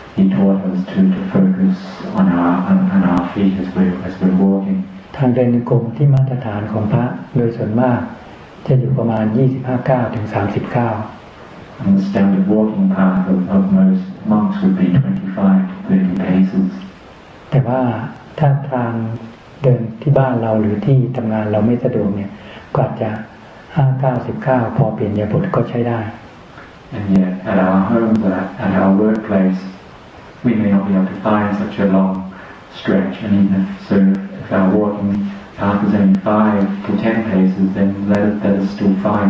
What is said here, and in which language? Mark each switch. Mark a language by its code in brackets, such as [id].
[en] He taught us to focus on our feet as we're walking. [th] ทางเดินกลมที่มาตรฐานของพระโดยส่วนมากจะอยู่ประมาณ25ก้าวถึง30ก้าว [en] And the standard walking path of most monks would be 25-30 paces. [th] แต่ว่าถ้าทางเดินที่บ้านเราหรือที่ทำงานเราไม่สะดวกเนี่ยก็อาจจะ5ก้าว10ก้าวพอเปลี่ยนเนื้อบทก็ใช้ได้ [en] And yet at our homes at our workplaceWe may not be able to find such a long stretch. I mean, if our walking path is only 5-10 paces, then that is still fine.